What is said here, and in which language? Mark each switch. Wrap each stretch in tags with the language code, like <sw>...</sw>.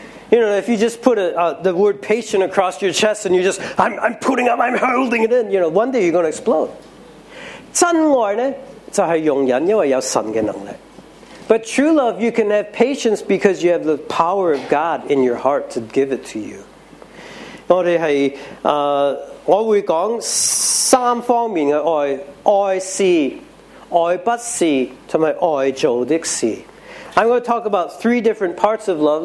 <en>You know, if you just put the word patient across your chest and you just, I'm putting up, I'm holding it in, you know, one day you're going to explode.</en> <zh>真爱呢就是容忍，因为有神的能力。</zh> <en>But true love, you can have patience because you have the power of God in your heart to give it to you.</en> <zh>我们是我会讲三方面的爱，爱是，爱不是，还有爱做的是。</zh> <en>I'm going to talk about three different parts of love.</en>